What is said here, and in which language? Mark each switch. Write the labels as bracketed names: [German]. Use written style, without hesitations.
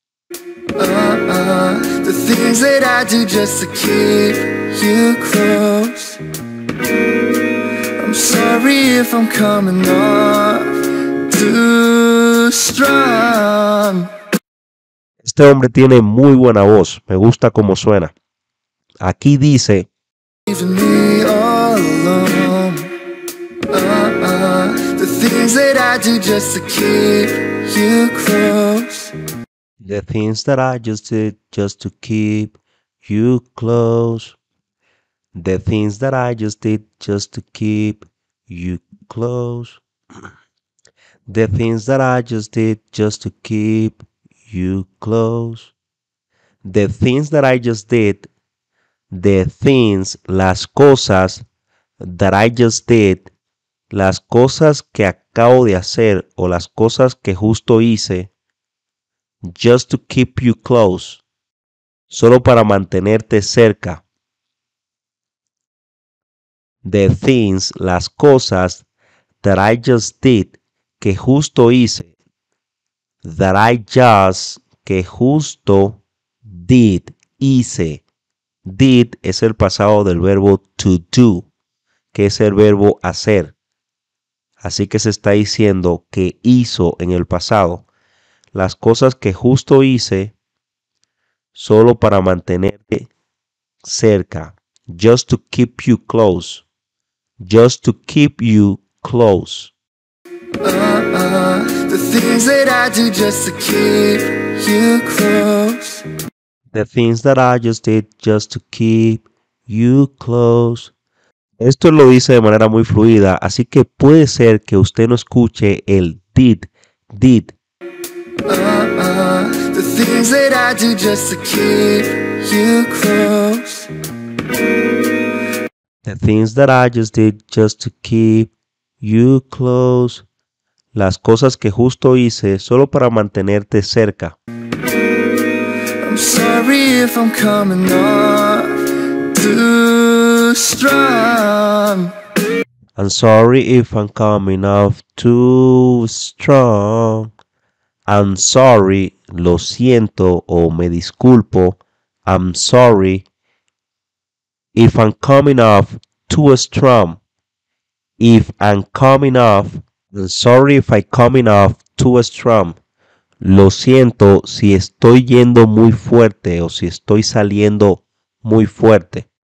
[English] The things that I do just to keep you close. I'm sorry if I'm coming off too strong. [Spanish] Este hombre tiene muy buena voz, me gusta cómo suena. Aquí dice: [English] leaving me all alone. The things that I do just to keep you close. The things that I just did just to keep you close. The things that I just did just to keep you close. The things that I just did just to keep you close. The things that I just did. The things, [Spanish] las cosas [English] that I just did. [Spanish] Las cosas que acabo de hacer o las cosas que justo hice. [English] Just to keep you close. [Spanish] Solo para mantenerte cerca. [English] The things, [Spanish] las cosas [English] that I just did, [Spanish] que justo hice. [English] That I just, [Spanish] que justo [English] did, [Spanish] hice. Did es el pasado del verbo to do, que es el verbo hacer. Así que se está diciendo que hizo en el pasado. Las cosas que justo hice solo para mantenerte cerca. [English] Just to keep you close. Just to keep you close. The things that I do just to keep you close. The things that I just did just to keep you close. [Spanish] Esto lo dice de manera muy fluida, así que puede ser que usted no escuche el did, did. [English] The things that I do just to keep you close. The things that I just did just to keep you close. [Spanish] Las cosas que justo hice solo para mantenerte cerca. [English] I'm sorry if I'm coming off too strong. I'm sorry if I'm coming off too strong. I'm sorry, [Spanish] lo siento o me disculpo. [English] I'm sorry if I'm coming off too strong. If I'm coming off, I'm sorry if I'm coming off too strong. [Spanish] Lo siento si estoy yendo muy fuerte o si estoy saliendo muy fuerte.